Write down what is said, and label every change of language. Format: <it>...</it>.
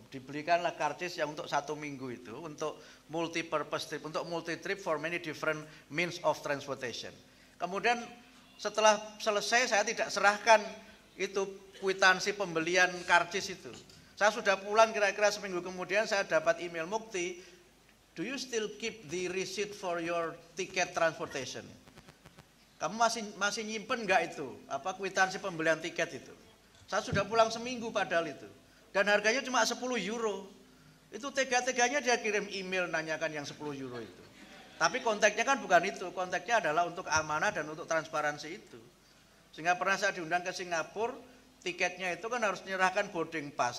<id>Dibelikanlah karcis yang untuk 1 minggu itu. Untuk multi-purpose trip, untuk multi-trip</id> <en>for many different means of transportation.</en> <id>Kemudian setelah selesai saya tidak serahkan itu kuitansi pembelian karcis itu. Saya sudah pulang kira-kira 1 minggu kemudian saya dapat email Mukti.</id> <en>Do you still keep the receipt for your ticket transportation?</en> <id>Kamu masih nyimpen enggak itu? Apa kuitansi pembelian tiket itu? Saya sudah pulang 1 minggu padahal itu. Dan harganya cuma 10 euro. Itu tega-teganya dia kirim email nanyakan yang 10 euro itu. Tapi konteksnya kan bukan itu. Konteksnya adalah untuk amanah dan untuk transparansi itu. Sehingga pernah saya diundang ke Singapura, tiketnya itu kan harus menyerahkan boarding pass.</id>